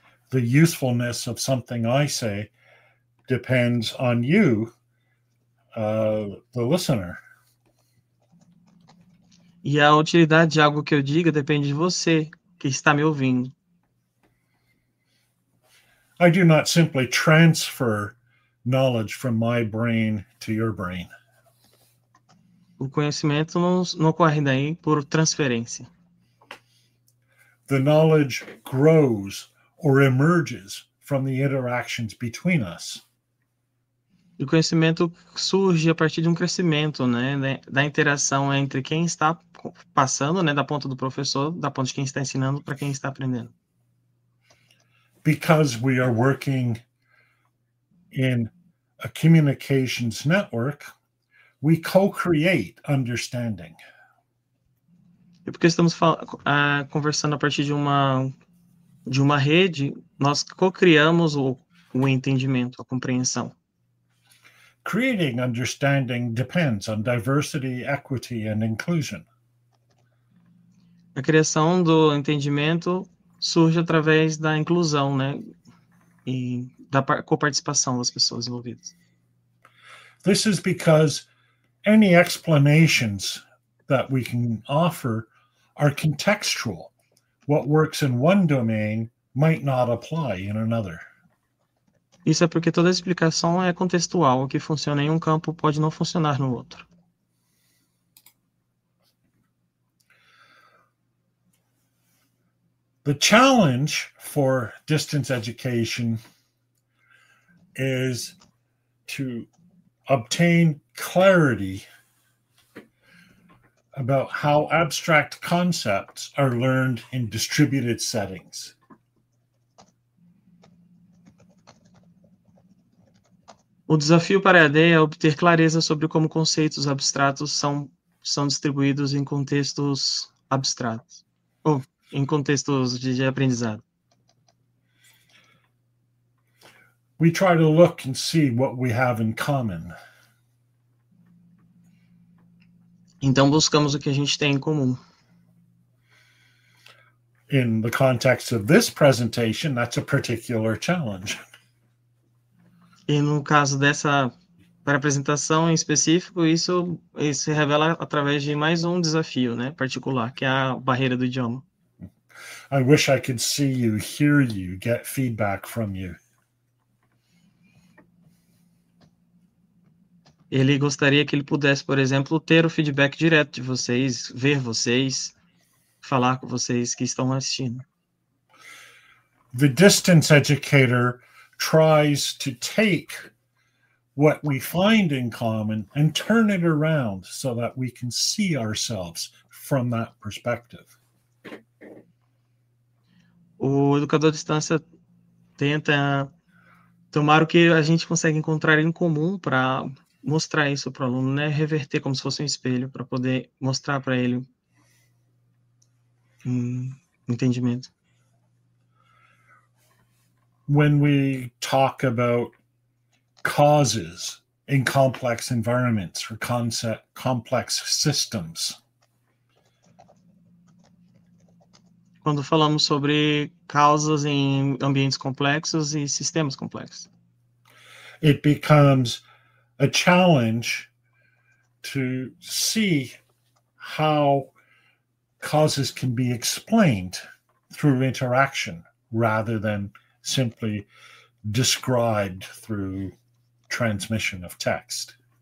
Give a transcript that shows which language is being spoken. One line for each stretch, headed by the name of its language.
English: The usefulness of something I say depends on you, the listener.
Portuguese: E a utilidade de algo que eu diga depende de você, que está me ouvindo.
English: I do not simply transfer knowledge from my brain to your brain.
Portuguese: O conhecimento não ocorre daí por transferência.
English: The knowledge grows or emerges from the interactions between us.
Portuguese: O conhecimento surge a partir de crescimento, né, da interação entre quem está passando, né, da ponta do professor, da ponta de quem está ensinando para quem está aprendendo.
English: Because we are working in a communications network, we co-create understanding.
Portuguese: E porque estamos conversando a partir de uma rede, nós co-criamos o entendimento, a compreensão.
English: Creating understanding depends on diversity, equity, and inclusion.
Portuguese: A criação do entendimento surge através da inclusão, né, e da coparticipação das pessoas envolvidas.
English: This is because any explanations that we can offer are contextual. What works in one domain might not apply in another.
Portuguese: Isso é porque toda explicação é contextual. O que funciona em campo pode não funcionar no outro.
English: The challenge for distance education is to obtain clarity about how abstract concepts are learned in distributed settings.
Portuguese: O desafio para a EAD é obter clareza sobre como conceitos abstratos são distribuídos em contextos abstratos, ou em contextos de aprendizado.
English: We try to look and see what we have in common.
Portuguese: Então buscamos o que a gente tem em comum.
English: In the context of this presentation, that's a particular challenge.
Portuguese: E no caso dessa para apresentação em específico, isso se revela através de mais um desafio, né, particular, que é a barreira do idioma.
English: I wish I could see you, hear you, get feedback from you.
Portuguese: Ele gostaria que ele pudesse, por exemplo, ter o feedback direto de vocês, ver vocês, falar com vocês que estão assistindo.
English: The distance educator tries to take what we find in common and turn it around so that we can see ourselves from that perspective.
Portuguese: O educador à distância tenta tomar o que a gente consegue encontrar em comum para mostrar isso para o aluno, né? Reverter como se fosse um espelho para poder mostrar para ele entendimento.
English: When we talk about causes in complex environments or complex systems.
Portuguese: Quando falamos sobre causas em ambientes complexos e sistemas complexos.
English: It becomes a challenge to see how causes can be explained through interaction rather than simply described through transmission of text.